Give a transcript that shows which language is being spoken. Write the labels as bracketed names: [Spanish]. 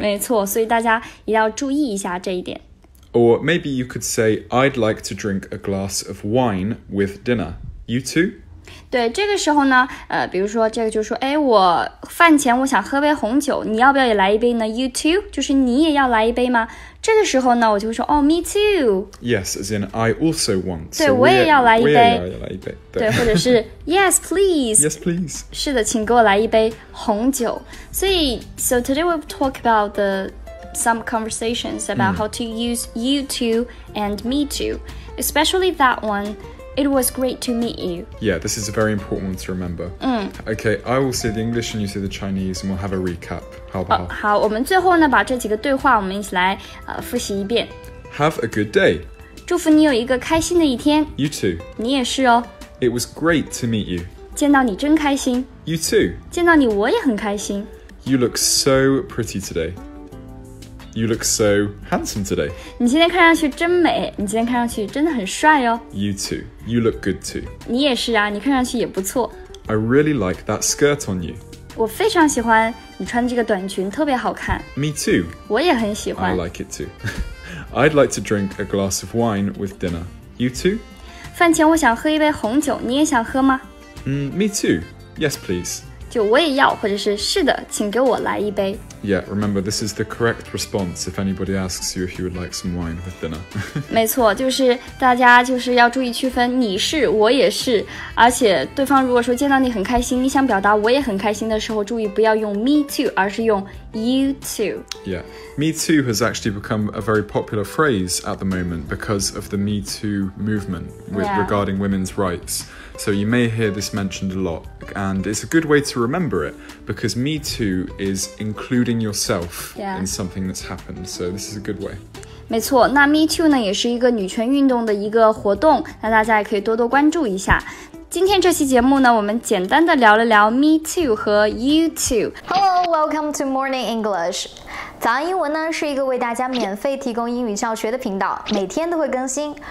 [Chinese] 没错所以大家也要注意一下这一点 [English] or maybe you could say I'd like to drink a glass of wine with dinner you too [Chinese] 对这个时候呢比如说这个就说哎我饭前我想喝杯红酒你要不要也来一杯呢 [English] you too [Chinese] 就是你也要来一杯吗这个时候呢我就会说哦、 [English] oh, me too yes as in I also want [Chinese] 对、 [English] so、 [Chinese] 我也要来一杯我也要来一杯 对，对或者是 [English] yes please yes please [Chinese] 是的请给我来一杯红酒所以 [English] so today we'll talk about the some conversations about、how to use you too and me too especially that oneIt was great to meet you. Yeah, this is a very important one to remember.、Okay, I will say the English and you say the Chinese and we'll have a recap. How about? [Chinese] 好，我们最后呢，把这几个对话我们一起来复习一遍。 [English] Have a good day. [Chinese] 祝福你有一个开心的一天。 [English] You too. [Chinese] 你也是哦。 [English] It was great to meet you. [Chinese] 见到你真开心。 [English] You too. [Chinese] 见到你我也很开心。 [English] You look so pretty today. You look so handsome today. [Chinese] 你今天看上去真美，你今天看上去真的很帅哦。 [English] You too. You look good too. [Chinese] 你也是啊，你看上去也不错。 [English] I really like that skirt on you. [Chinese] 我非常喜欢你穿这个短裙，特别好看。 [English] Me too. 我也很喜欢。 I like it too. I'd like to drink a glass of wine with dinner. You too? [Chinese] 饭前我想喝一杯红酒，你也想喝吗？ [English] Me too. Yes, please. [Chinese] 就我也要，或者是是的，请给我来一杯。 [English] Yeah, remember this is the correct response if anybody asks you if you would like some wine with dinner. [Chinese] 没错，就是大家就是要注意区分，你是，我也是，而且对方如果说见到你很开心，你想表达我也很开心的时候，注意不要用 [English] me too， [Chinese] 而是用 [English] you too. Yeah, me too has actually become a very popular phrase at the moment because of the Me Too movement with、 yeah. regarding women's rights. So you may hear this mentioned a lot, and it's a good way to remember it, because me too is including yourself、 yeah. in something that's happened, so this is a good way. [Chinese] 没错，那 [English] me too [Chinese] 呢也是一个女权运动的一个活动，那大家也可以多多关注一下。今天这期节目呢，我们简单的聊了聊 [English] me too [Chinese] 和 [English] you too。 Hello, welcome to Morning English。 [Chinese] 早安英文呢是一个为大家免费提供英语教学的频道，每天都会更新。